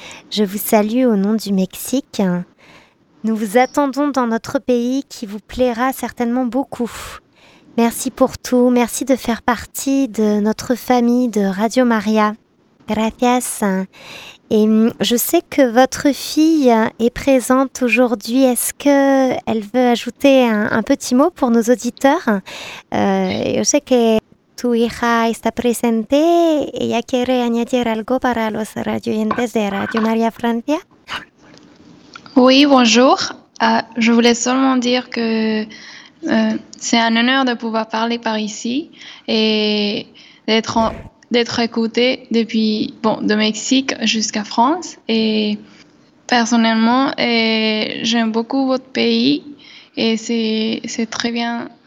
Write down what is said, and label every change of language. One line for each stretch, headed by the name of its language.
French: Je vous salue au nom du Mexique. Nous vous attendons dans notre pays qui vous plaira certainement beaucoup. Merci pour tout. Merci de faire partie de notre famille de Radio María.
Spanish: Gracias.
French: Et je sais que votre fille est présente aujourd'hui. Est-ce qu'elle veut ajouter un petit mot pour nos auditeurs?
Spanish: Yo sé que tu hija está presente. ¿Ella quiere añadir algo para los radioyentes de Radio María Francia?
French: Oui, bonjour. Je voulais seulement dire que c'est un honneur de pouvoir parler par ici et d'être écoutée depuis, de Mexique jusqu'à France. Et personnellement, j'aime beaucoup votre pays et c'est très bien.